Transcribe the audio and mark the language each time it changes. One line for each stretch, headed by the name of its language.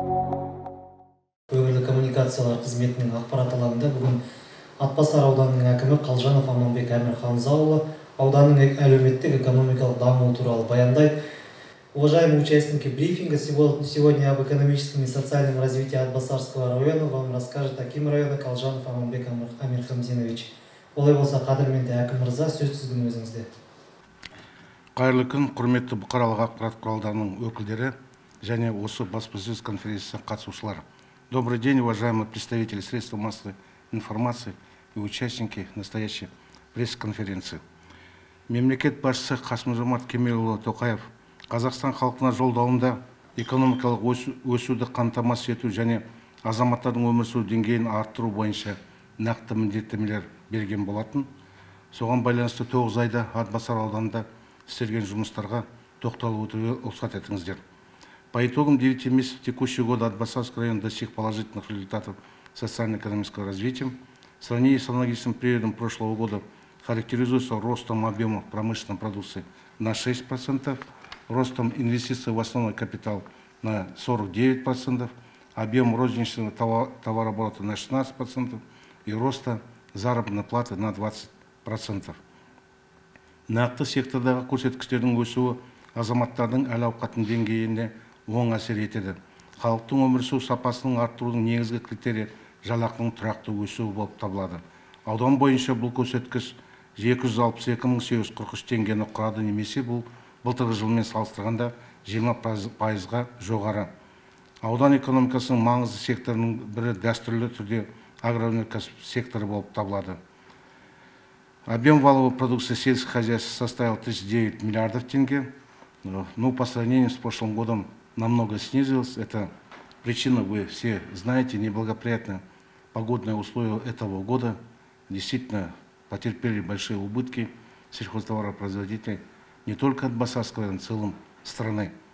Kazakh: коммуникациялар қызметінің ақпарат алаңында бүгін Атбасар ауданының әкімі Қалжанов Аманбек Әмірханзаұлы ауданның әлеуметтік экономикалық дамуы туралы баяндайды.
Russian: Уважаемые участники брифинга, сегодня об экономическом и социальном развитии Атбасарского района вам расскажет Аким района Калжанов Аманбек Амирхамзинович.
Kazakh: Олай болса, қадірмен де әкім ырза, сөз сіздің өзіңізде. Қайырлы күн, құрметті бұқаралық ақпарат құралдарының өкілдері және осы баспасөз конференциясына қатысушылар.
Russian: Добрый день, уважаемые представители средств массовой информации и участники настоящей пресс-конференции.
Kazakh: Мемлекет басшысы Қасым-Жомарт Кемелұлы Тоқаев Қазақстан халқына жолдауында экономикалық өсуді қамтамасыз ету және азаматтардың өмір сүру деңгейін арттыру бойынша нақты міндеттемелер берген болатын. Соған байланысты 9 айда Атбасар ауданында істелген жұмыстарға тоқталып өтуге рұқсат етіңіздер.
Russian: По итогам 9 месяцев текущего года Атбасарский район достиг положительных результатов социально-экономического развития. В сравнении с аналогичным периодом прошлого года характеризуется ростом объемов промышленной продукции на 6%, ростом инвестиций в основной капитал на 49%, объем розничного товарооборота на 16% и роста заработной платы на 20%.
Kazakh: Нақты сектордағы көрсеткіштердің өсуі азаматтардың әл-ауқатын деңгейіне оң әсер етеді. Халықтың өмір сүру сапасының арттырудың негізгі критерийі жалақының тұрақты өсуі болып табылады. Аудан бойынша бұл көрсеткіш 262.843 теңгені құрады, немесе бұл былтырғы жылмен салыстырғанда 20%-ға жоғары. Аудан экономикасының маңызды секторының бірі дәстүрлі түрде агроөнеркәсіп секторы болып табылады.
Russian: Объем валовой продукции сельского хозяйства составил 39 миллиардов тенге. Ну, по сравнению с прошлым годом намного снизилось. Это причина, вы все знаете, неблагоприятные погодные условия этого года. Действительно, потерпели большие убытки сельхозтоваропроизводители не только от Басарского, но и в целом страны.